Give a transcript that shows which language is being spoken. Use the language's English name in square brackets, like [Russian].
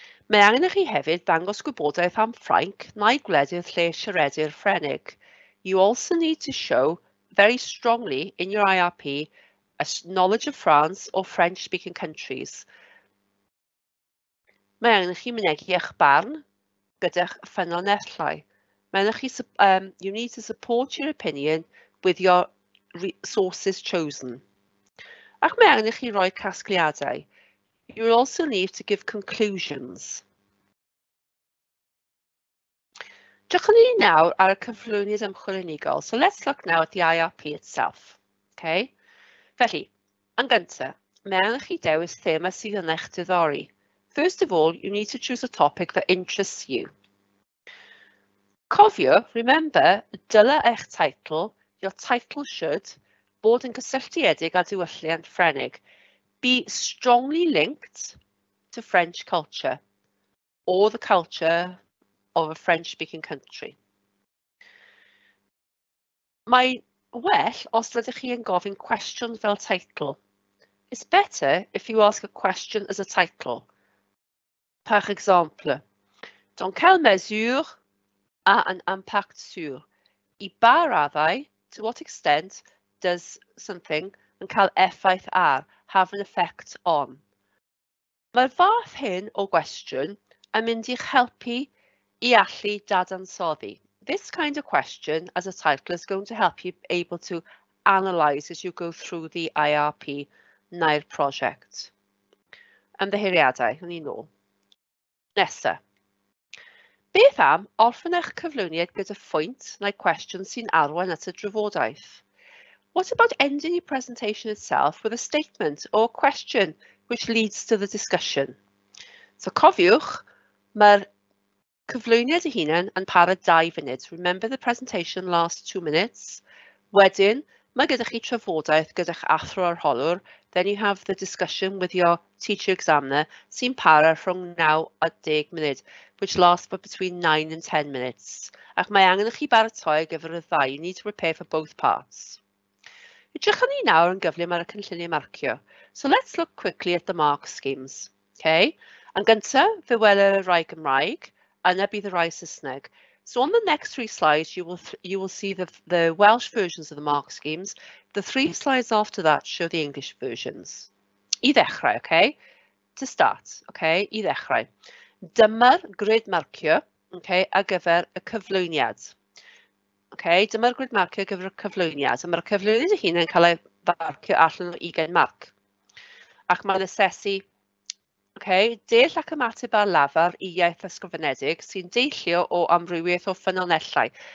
[Welsh] Mae angen ych chi hefyd dangos gwybodaeth am Ffrainc neu gwledydd lle siaredu'r Ffrenig. [English] You also need to show very strongly in your IRP a knowledge of France or French-speaking countries. [Welsh] Mae angen ych chi mynegi eich barn gyda'ch ffynonellau. Mae angen ych chi, [English] you need to support your opinion with your resources chosen. [Welsh] Ac mae angen ych chi roi casgliadau. [English] You also need to give conclusions. [Welsh] Jychwn ni nawr ar y cyflwyniad ymchwil unigol. [English] So let's look now at the IRP itself. Okay. [Welsh] Felly, yn gyntaf, mae angen ych chi dewis thema sydd yn eich diddori. [English] First of all, you need to choose a topic that interests you. [Welsh] Cofio, remember, dyla eich title, [English] your title should, [Welsh] bod yn gysylltiedig a diwylliant Ffrenig. [English] Be strongly linked to French culture or the culture of a French-speaking country. [Welsh] Mae well os ydych chi yn gofyn cwestiwn fel title. [English] It's better if you ask a question as a title. [French] Par exemple, dans quelle mesure a un impact sur? [Welsh] I ba raddau, [English] to what extent does something [Welsh] yn cael effaith ar? [English] Have an effect on. [Welsh] Mae'r fath hyn o gwestiwn yn mynd i'ch helpu i allu dadansoddi. [English] This kind of question as a title is going to help you able to analyse as you go through the IRP [Welsh] neu'r prosiect. Ymddiheuriadau, hynny nôl. Nesa. Beth am orffen eich cyflwyniad gyda phwynt neu cwestiwn sy'n arwain at y drafodaeth? [English] What about ending your presentation itself with a statement or question which leads to the discussion? [Welsh] So cofiwch, mae'r cyflwyniad ei hunan yn para 2 funud. [English] Remember the presentation lasts 2 minutes. [Welsh] Wedyn, mae gyda chi trafodaeth gyda'ch athro arholwr. [English] Then you have the discussion with your teacher examiner [Welsh] sy'n para rhwng 9 a 10 munud, [English] which lasts for between 9 and 10 minutes. [Welsh] Ac mae angen i chi baratoi ar gyfer y ddau. [English] You need to prepare for both parts. [Welsh] Edrychwn ni nawr yn gyflym ar y cynlluniau marcio. [English] So let's look quickly at the mark schemes. Okay. [Welsh] Yn gyntaf, fe weler y rai Gymraeg, yna bydd y rai Saesneg. [English] So on the next 3 slides, you will see the Welsh versions of the mark schemes. The 3 slides after that show the English versions. [Welsh] I ddechrau, okay? [English] To start, okay? [Welsh] I ddechrau. Dyma'r grid marcio, okay, ar gyfer y cyflwyniad. Okay, dyma'r grid marcio gyfer y cyflwyniad. Mae'r cyflwyniad y hun yn cael ei farcio allan o 20 marc. Ac mae'n asesu, okay, deall ac ymateb ar lafar i iaith ysgrifenedig sy'n deillio o amrywiaeth o ffynonellau.